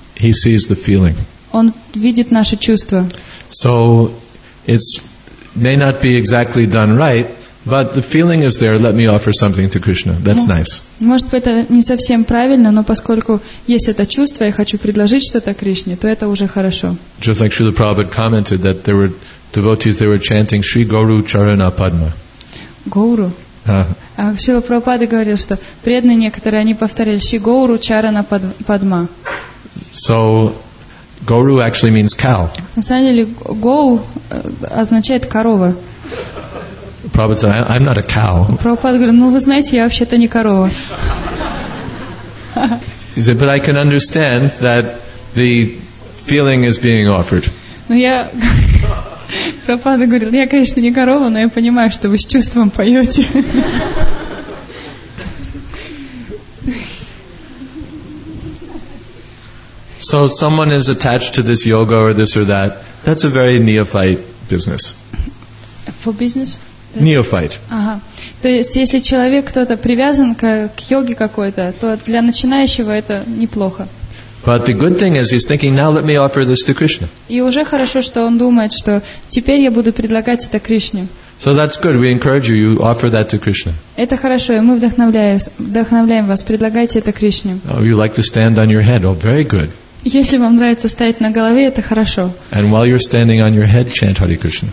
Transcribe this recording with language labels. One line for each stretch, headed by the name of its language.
English: He sees the feeling.
Russian: Он видит наши чувства.
English: So it may not be exactly done right, but the feeling is there, let me offer something to Krishna. That's nice.
Russian: Может быть, это не совсем правильно, но поскольку есть это чувство, я хочу предложить что-то Кришне, то это уже хорошо.
English: Just like Srila Prabhupada commented that there were devotees, they were chanting Sri Guru Charana Padma.
Russian: Гуру. А Шрила Прабхупада говорил, что преданные некоторые, они повторяли Шри Гуру Чарана Падма.
English: So, Гуру actually means cow.
Russian: На самом деле, Гоу означает корова.
English: Prabhupada said, I'm not a cow.
Russian: Prabhupada говорит, ну вы знаете, я вообще-то не корова. He said, but I can understand that the feeling is being offered. Ну я, Prabhupada говорит, я, конечно, не корова, но я понимаю, что вы с чувством поете.
English: So someone is attached to this yoga or this or that. That's a very neophyte business. For business? Neophyte.
Russian: Ага. То есть, если человек кто-то привязан к йоге какой-то, то для начинающего это неплохо.
English: But the good thing is, he's thinking, now let me offer this to Krishna.
Russian: И уже хорошо, что он думает, что теперь я буду предлагать это Кришне.
English: So that's good. We encourage you. You offer that to Krishna.
Russian: Это хорошо. Мы вдохновляем вас. Предлагайте это Кришне.
English: Oh, you like to stand on your head. Oh, very good.
Russian: Если вам нравится стоять на голове, это хорошо.
English: And while you're standing on your head, chant Hare Krishna.